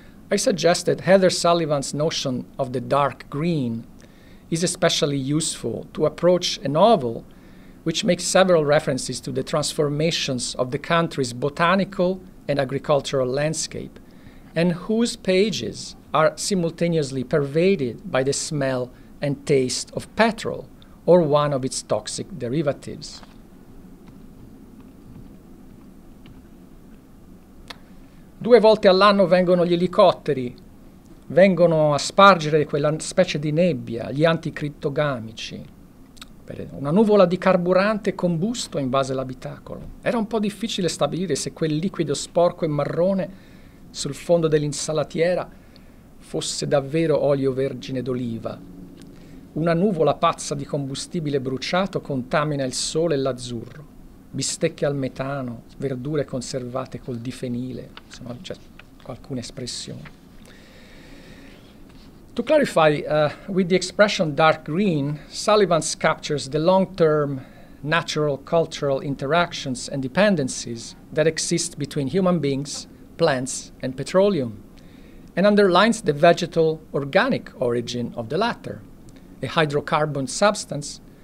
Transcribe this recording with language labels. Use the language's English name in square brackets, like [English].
[English] I suggest that Heather Sullivan's notion of the dark green is especially useful to approach a novel which makes several references to the transformations of the country's botanical and agricultural landscape, and whose pages are simultaneously pervaded by the smell and taste of petrol or one of its toxic derivatives. [Italian] Due volte all'anno vengono gli elicotteri, vengono a spargere quella specie di nebbia, gli anticrittogamici. Una nuvola di carburante combusto invase l'abitacolo. Era un po' difficile stabilire se quel liquido sporco e marrone sul fondo dell'insalatiera fosse davvero olio vergine d'oliva. Una nuvola pazza di combustibile bruciato contamina il sole e l'azzurro. Bistecche al metano, verdure conservate col difenile, insomma, c'è alcune espressioni. [English] To clarify, with the expression dark green, Sullivan captures the long-term natural cultural interactions and dependencies that exist between human beings, plants, and petroleum, and underlines the vegetal organic origin of the latter, a hydrocarbon substance,